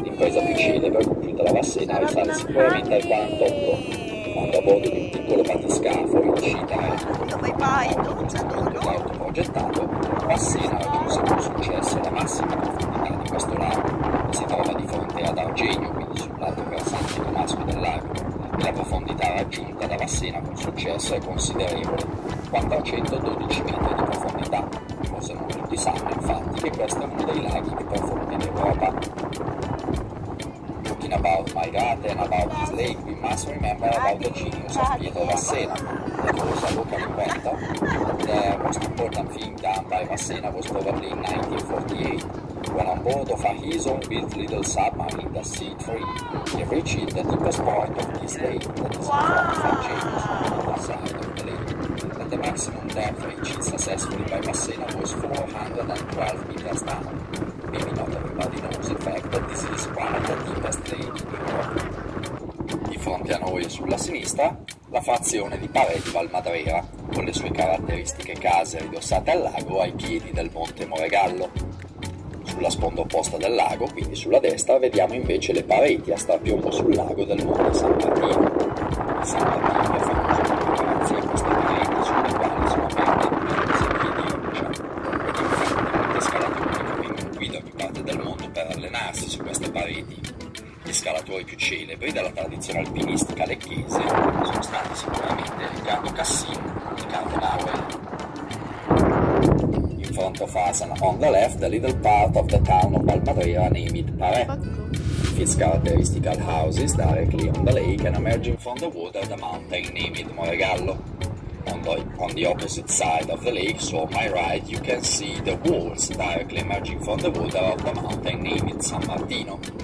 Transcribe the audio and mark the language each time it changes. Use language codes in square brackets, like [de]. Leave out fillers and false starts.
[it] L'impresa più celebre compiuta da Massena risale sicuramente al 48, quando a bordo di un piccolo batiscafo in uscita l'autoprogettato, Massena raggiunse con successo la massima profondità di questo lago, che si trova di fronte ad Argenio, lato versante damasco del lago, e la profondità raggiunta da Massena con successo è considerevole, 412 metri di profondità. Forse non tutti sanno infatti che questo è uno dei laghi più profondi d'Europa. [en] Talking about my garden and about this lake, we must remember about the genius of Pietro Massena, the cosa local inventor. The most important thing done by Massena was probably in 1948. When on board of a his own built little submarine, the C3, he reached the deepest part of this lake, that is about 5 meters on the side of the lake. And the maximum depth reached successfully by Massena was 412 meters down. Maybe not everybody knows in fact that this is one of the deepest lakes in Europe. [it] Di fronte a noi, sulla sinistra, la frazione di Paredi Val Madrera, con le sue caratteristiche case ridossate al lago ai piedi del Monte Moregallo. Sulla sponda opposta del lago, quindi sulla destra, vediamo invece le pareti a strapiombo sul lago del Monte San Martino. Il San Martino è famoso grazie a queste pareti sulle quali sono aperte numerose vie di roccia. Ed infatti, molti scalatori vengono qui da ogni parte del mondo per allenarsi su queste pareti. Gli scalatori più celebri della tradizione alpinistica lecchese sono stati sicuramente Riccardo Cassin e Carlo Bauer. [en] Front of us and on the left, the little part of the town of Val Madrera named Pare. Its characteristical houses directly on the lake and emerging from the water, the mountain named Moregallo. On the opposite side of the lake, so on my right, you can see the walls directly emerging from the water of the mountain named San Martino.